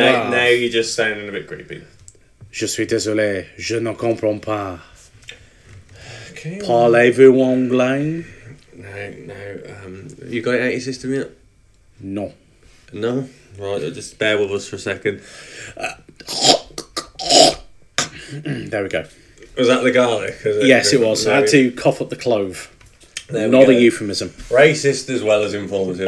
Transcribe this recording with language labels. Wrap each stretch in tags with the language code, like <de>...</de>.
<en>Now you're just sounding a bit creepy.</en> <fr>Je suis désolé, je ne comprends pas.</fr> <en>Okay,</en> <fr>parlez-vous anglais?</fr> <en>No. You got 80 system yet? No. No? Right, just bear with us for a second. there we go. Was that the garlic? Yes, it was. I had to cough up the clove. Not a euphemism. Racist as well as informative.</en>